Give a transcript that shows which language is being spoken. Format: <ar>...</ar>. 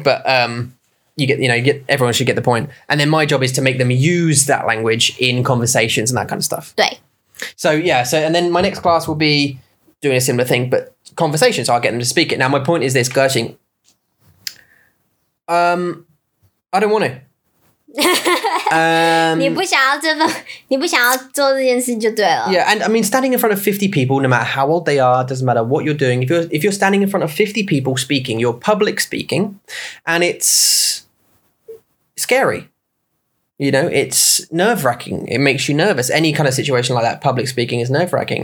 <en>But you get, everyone should get the point. And then my job is to make them use that language in conversations and that kind of stuff.</en> <zh>对</zh> <en>So, yeah, so, and then my next class will be doing a similar thing, but conversation, so I'll get them to speak it. Now, my point is this, Gershing, I don't want to.</en> <zh>你不想要这份，你不想要做这件事就对了。</zh> <en>Yeah, and I mean, standing in front of 50 people, no matter how old they are, doesn't matter what you're doing, if you're standing in front of 50 people speaking, you're public speaking, and it's scary. You know, it's nerve-wracking. It makes you nervous. Any kind of situation like that, public speaking is nerve-wracking.</en>